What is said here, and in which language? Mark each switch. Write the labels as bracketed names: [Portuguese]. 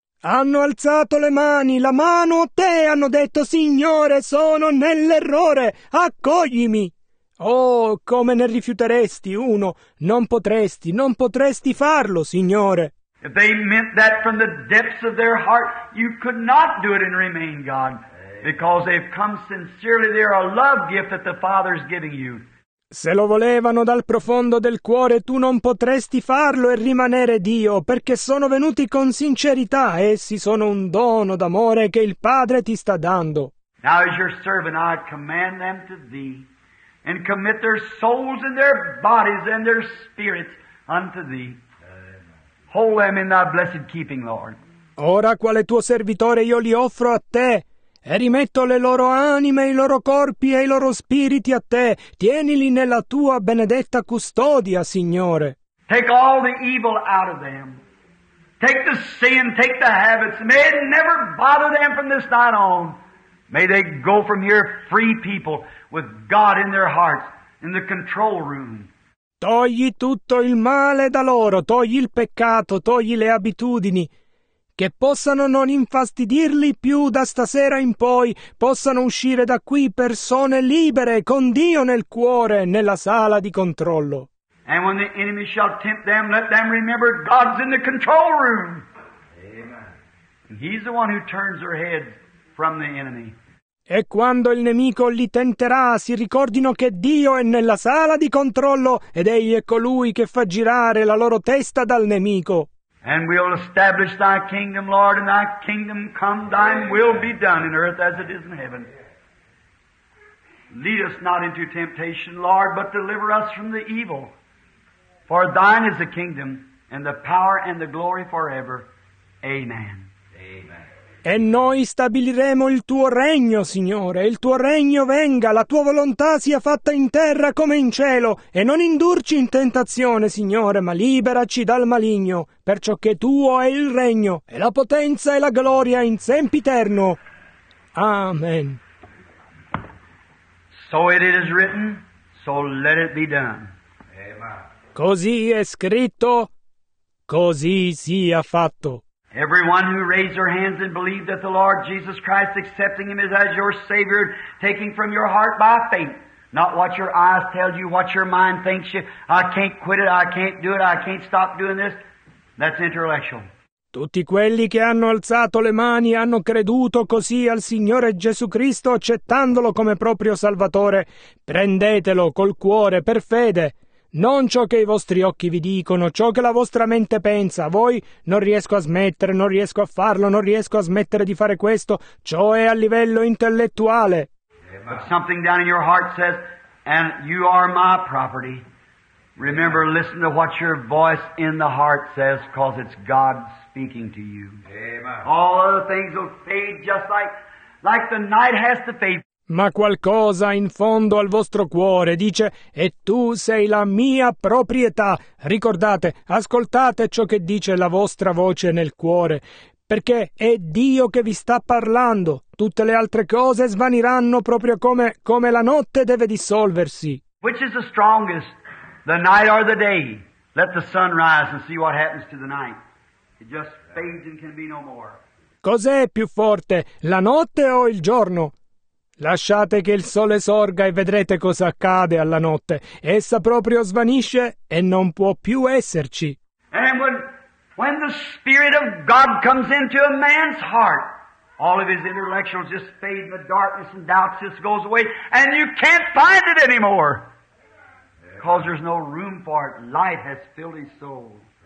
[Italian] Hanno alzato le mani, la mano a te, hanno detto, Signore, sono nell'errore, accoglimi. Oh, come ne rifiuteresti uno, non potresti farlo, Signore. [English] If they meant that from the depths of their heart, you could not do it and remain God, because they've come sincerely, they're a love gift that the Father's giving you. [Italian] Se lo volevano dal profondo del cuore, tu non potresti farlo e rimanere Dio, perché sono venuti con sincerità, essi sono un dono d'amore che il Padre ti sta dando. [English] Now as your servant I command them to thee, and commit their souls and their bodies and their spirits unto thee. Hold them in thy blessed keeping, Lord. [Italian] Ora quale tuo servitore io li offro a te, e rimetto le loro anime, i loro corpi e i loro spiriti a te. Tienili nella tua benedetta custodia, Signore. [English] Take all the evil out of them. Take the sin, take the habits. May it never bother them from this night on. May they go from here free people with God in their hearts in the control room. [Italian] Togli tutto il male da loro, togli il peccato, togli le abitudini. Che possano non infastidirli più da stasera in poi, possano uscire da qui persone libere, con Dio nel cuore, nella sala di controllo. [English] And when the enemy shall tempt them, let them remember God's in the control room. Amen. He's the one who turns their heads from the enemy. [Italian] E quando il nemico li tenterà, si ricordino che Dio è nella sala di controllo, ed egli è colui che fa girare la loro testa dal nemico. [English] And we'll establish thy kingdom, Lord, and thy kingdom come, thine will be done in earth as it is in heaven. Lead us not into temptation, Lord, but deliver us from the evil. For thine is the kingdom, and the power, and the glory forever. Amen. Amen. [Italian] E noi stabiliremo il tuo regno, Signore, il tuo regno venga, la tua volontà sia fatta in terra come in cielo, e non indurci in tentazione, Signore, ma liberaci dal maligno, perciò che tuo è il regno, e la potenza e la gloria in sempiterno. Amen. [English] So it is written, so let it be done. [Italian] Così è scritto, così sia fatto. [English] Everyone who raised their hands and believed that the Lord Jesus Christ, accepting Him as your Savior, taking from your heart by faith, not what your eyes tell you, what your mind thinks you, I can't quit it, I can't do it, I can't stop doing this, that's intellectual. [Italian] Tutti quelli che hanno alzato le mani hanno creduto così al Signore Gesù Cristo, accettandolo come proprio Salvatore. Prendetelo col cuore, per fede. Non ciò che i vostri occhi vi dicono, ciò che la vostra mente pensa. Voi, non riesco a smettere, non riesco a farlo, non riesco a smettere di fare questo. Ciò è a livello intellettuale. [English] But something down in your heart says, and you are my property. Remember, listen to what your voice in the heart says, because it's God speaking to you. Amen. All other things will fade just like the night has to fade. [Italian] Ma qualcosa in fondo al vostro cuore dice, e tu sei la mia proprietà. Ricordate, ascoltate ciò che dice la vostra voce nel cuore, perché è Dio che vi sta parlando. Tutte le altre cose svaniranno proprio come la notte deve dissolversi. [English] Which is the strongest, the night or the day? Let the sun rise and see what happens to the night. It just fades and can be no more. [Italian] Cos'è più forte, la notte o il giorno? Lasciate che il sole sorga e vedrete cosa accade alla notte. Essa proprio svanisce e non può più esserci. [English] And when the Spirit of God comes into a man's heart, all of his intellectuals just fade in the darkness and doubts just goes away, and you can't find it anymore. Because there's no room for it. Light has filled his soul.